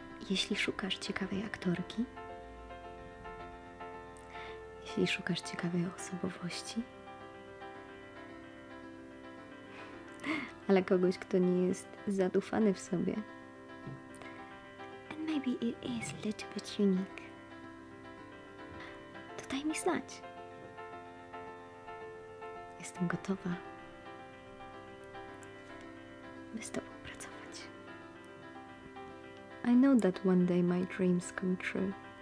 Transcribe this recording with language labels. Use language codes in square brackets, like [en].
[pl] Jeśli szukasz ciekawej aktorki, jeśli szukasz ciekawej osobowości, ale kogoś, kto nie jest zadufany w sobie. [en] And maybe it is a little bit unique. [pl] Daj mi znać. Jestem gotowa, by z tobą pracować. [en] I know that one day my dreams come true.